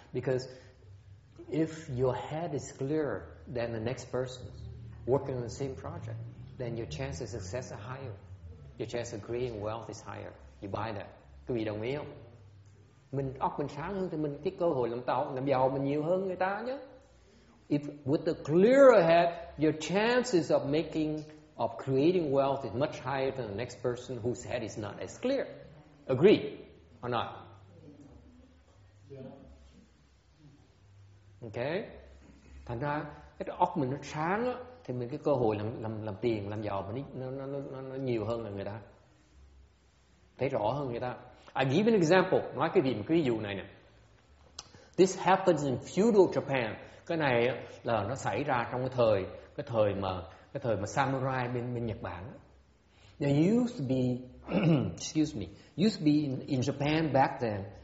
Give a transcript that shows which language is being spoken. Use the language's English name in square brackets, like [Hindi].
[English] Because if your head is clearer than the next person working on the same project, then your chance of success are higher. Your chance of creating wealth is higher. You buy that? [Vietnamese] Quý vị đồng ý không? mình óc mình sáng hơn thì mình cái cơ hội làm tàu làm giàu mình nhiều hơn người ta nhé. [English] If with a clearer head, your chances of making of creating wealth is much higher than the next person whose head is not as clear. Agree or not? Okay. [Vietnamese] Thành ra cái óc mình nó sáng á, thì mình cái cơ hội làm tiền làm giàu mình nó nhiều hơn là người ta, thấy rõ hơn người ta. [English] I give an example, [Vietnamese] nói cái gì một cái ví dụ này nè. [English] This happens in feudal Japan. [Vietnamese] Cái này là nó xảy ra trong cái thời mà samurai bên Nhật Bản. [English] They used to be excuse me, used to be in Japan back then.